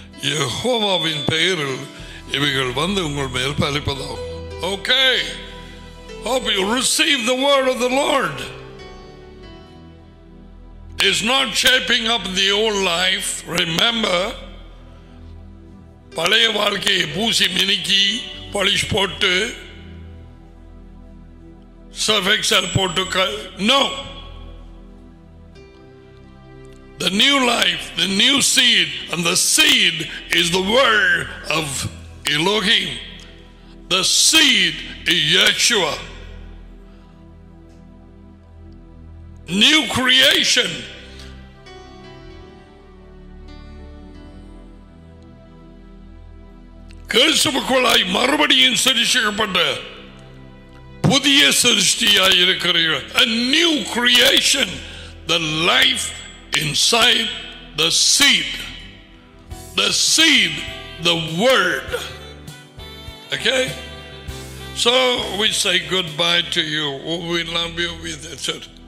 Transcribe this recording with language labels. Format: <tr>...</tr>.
<ta>யெகோவாவின் பெயரில் இவைகள் வந்து உங்கள் மேல் பலிப்பதாகும்.</ta> <en>Okay. Hope you receive the word of the Lord. It's not shaping up the old life. Remember,</en> <ta>பழைய வாழ்க்கையை பூசி மினுக்கி பாலிஷ் போட்டு</ta> <en>Self-excel protocol. No. The new life, the new seed, and the seed is the word of Elohim. The seed is Yeshua. New creation.</en> <ta>கிறிஸ்துவுக்குள்ளாய் மறுபடியும் சிருஷ்டிக்கப்பட்ட புதிய சிருஷ்டியாய் இருக்கிறீர்கள்.</ta> <en>A new creation. The life inside the seed. The seed, the word. Okay? So we say goodbye to you. We love you. We said,</en>